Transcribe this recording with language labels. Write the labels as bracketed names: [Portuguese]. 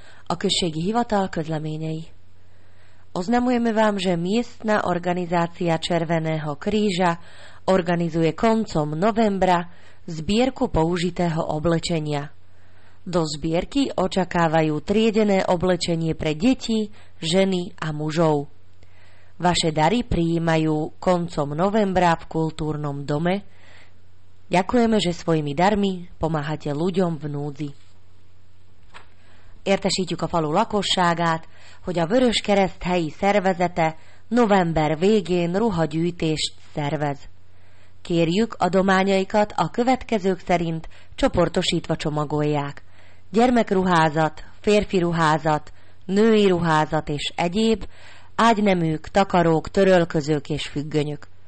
[Hungarian] Okršek hivatal közleményei. [Slovak] Oznamujeme vám, že miestna organizácia Červeného kríža organizuje koncom novembra zbierku použitého oblečenia. Do zbierky očakávajú triedené oblečenie pre deti, ženy a mužov. Vaše dary prijímajú koncom novembra v kultúrnom dome. Ďakujeme, že svojimi darmi pomáhate ľuďom v núdzi. [Hungarian] Értesítjük a falu lakosságát, hogy a Vöröskereszt helyi szervezete november végén ruhagyűjtést szervez. Kérjük, adományaikat a következők szerint csoportosítva csomagolják. Gyermekruházat, férfi ruházat, női ruházat és egyéb, ágyneműk, takarók, törölközők és függönyök.